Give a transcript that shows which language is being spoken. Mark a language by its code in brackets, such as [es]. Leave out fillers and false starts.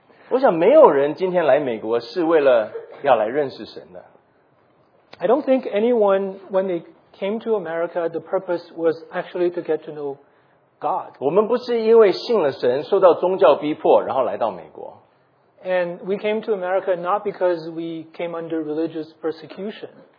[zh] 我想没有人今天来美国是为了要来认识神的。 [en] I don't think anyone, when they came to America, the purpose was actually to get to know God. [zh] 我们不是因为信了神,受到宗教逼迫,然后来到美国。 [en] And we came to America not because we came under religious persecution.